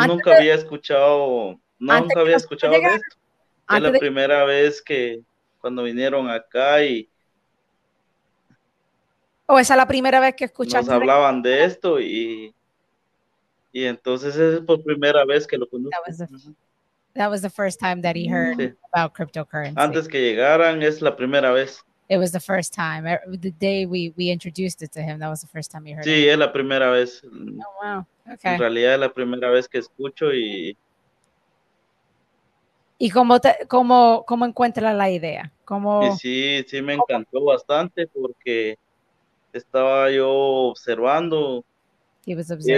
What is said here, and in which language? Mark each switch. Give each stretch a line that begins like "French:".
Spanish: nunca había escuchado de esto. Es la primera vez que cuando vinieron acá y... ¿O esa es la primera vez que escuchaste? Nos hablaban de esto y entonces es por primera vez que lo conozco.
English: That was the first time that he heard about cryptocurrency.
Spanish: Antes que llegaran, es la primera vez.
English: It was the first time. The day we introduced it to him, that was the first time he heard it.
Spanish: Sí, es la primera vez.
English: Oh, wow. Okay.
Spanish: En realidad es la primera vez que escucho y... ¿Y cómo encuentra la idea? Sí, me encantó bastante porque estaba yo observando.
English: He was observing.